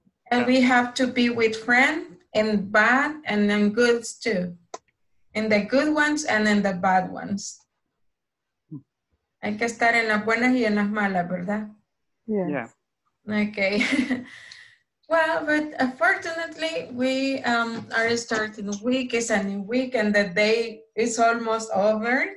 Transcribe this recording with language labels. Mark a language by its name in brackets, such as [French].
[English] And we have to be with friends in bad and in good too. In the good ones and in the bad ones. [Spanish] Hay que estar en las buenas y en las malas, ¿verdad? [English] Yeah. Okay. Well, but fortunately, we are starting the week. It's a new week and the day is almost over.